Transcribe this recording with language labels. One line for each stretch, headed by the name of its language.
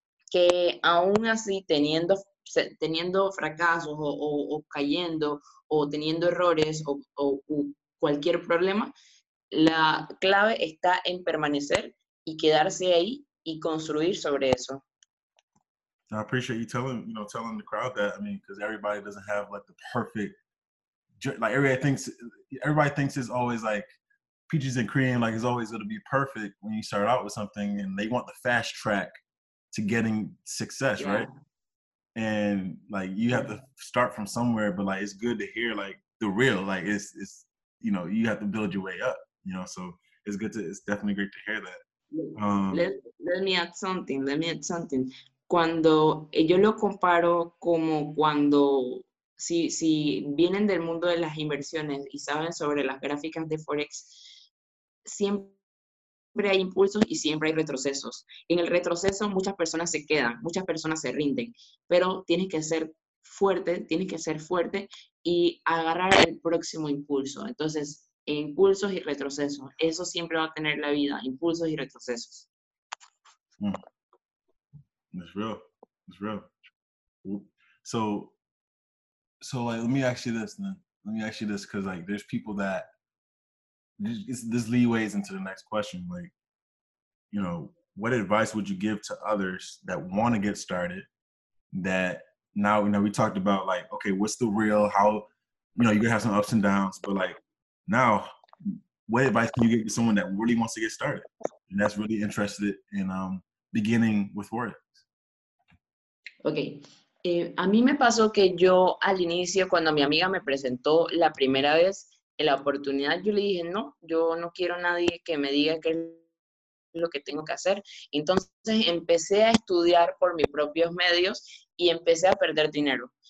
Spanish: Que aún así, teniendo fracasos o cayendo o teniendo errores o cualquier problema, la clave está en permanecer y quedarse ahí y construir sobre eso.
English: I appreciate you telling the crowd that. I mean, because everybody doesn't have like the perfect, like everybody thinks it's always like peaches and cream, like it's always going to be perfect when you start out with something, and they want the fast track to getting success, yeah. Right? And like you have to start from somewhere, but like it's good to hear like the real, like it's you know, you have to build your way up, you know, so it's definitely great to hear that. Let me add something.
Spanish: Cuando yo lo comparo como cuando, si vienen del mundo de las inversiones y saben sobre las gráficas de Forex, siempre hay impulsos y siempre hay retrocesos. En el retroceso muchas personas se quedan, muchas personas se rinden, pero tienes que ser fuerte y agarrar el próximo impulso. Entonces, impulsos y retrocesos, eso siempre va a tener la vida, impulsos y retrocesos.
English: It's real. So like, let me ask you this, because like, there's people that this leeways into the next question. Like, you know, what advice would you give to others that want to get started? That now, you know, we talked about like, okay, what's the real? How, you know, you can have some ups and downs, but like, now, what advice can you give to someone that really wants to get started and that's really interested in beginning with Forex?
Spanish: Ok, a mí me pasó que yo al inicio, cuando mi amiga me presentó la primera vez en la oportunidad, yo le dije, no, yo no quiero a nadie que me diga qué es lo que tengo que hacer. Entonces empecé a estudiar por mis propios medios y empecé a perder dinero.